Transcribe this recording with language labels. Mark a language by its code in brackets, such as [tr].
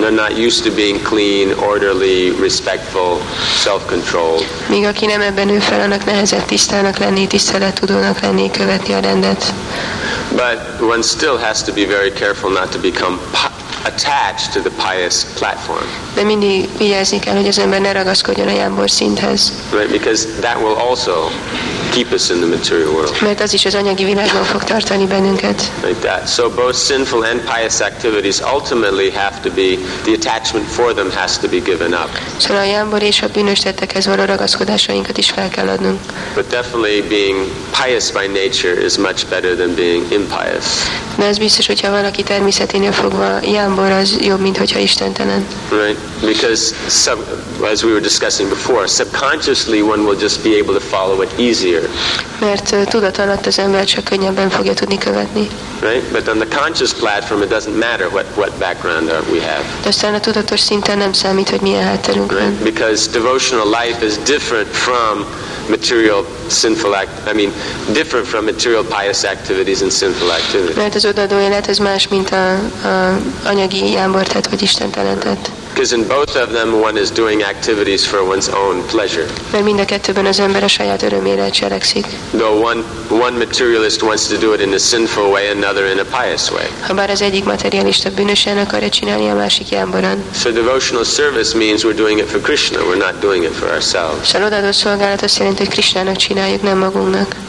[en] They're not used to being clean, orderly, respectful, self-controlled. [hu] Míg aki nem ebben nő fel, annak nehezebb tisztának lenni, tisztelettudónak lenni, követni a rendet. [en] But one still has to be very careful not to become attached to the pious platform. [hu] De mindig vigyázni kell, hogy az ember ne ragaszkodjon a jámbor szinthez. [en] Right, because that will also keep us in the material world. [hu] Mert az is az anyagi világban fog tartani bennünket. [en] Like that. So both sinful and pious activities ultimately have to be, the attachment for them has to be given up. [hu] Szóval a jámbor és a bűnös tettekhez való ragaszkodásainkat is fel kell adnunk. [en] But definitely being pious by nature is much better than being impious. [hu] De ez biztos, hogyha valaki természeténél fogva jámbor, az jobb, mint hogyha istentelen. [en] Right, because as we were discussing before, subconsciously one will just be able to follow it easier. [hu] Mert tudat alatt az ember csak könnyebben fogja tudni követni. [en] Right, but on the conscious platform it doesn't matter what background we have. [hu] De aztán a tudatos szinten nem számít, hogy milyen hátterünk van. [en] Right, because devotional life is different from material sinful act. I mean, different from material pious activities and sinful activities. [hu] Mert az odaadó élet az más, mint a anyagi jámbortett vagy istentelentett. [en] Because in both of them one is doing activities for one's own pleasure. [hu] Mert mind a kettőben az ember a saját örömére cselekszik. [en] Though one materialist wants to do it in a sinful way, another in a pious way. [hu] Habár az egyik materialista bűnösen akarja csinálni, a másik jámboran. [en] So devotional service means we're doing it for Krishna, we're not doing it for ourselves. [hu] Szóval odaadó szolgálat azt jelenti, hogy Krishnának csináljuk, nem magunknak.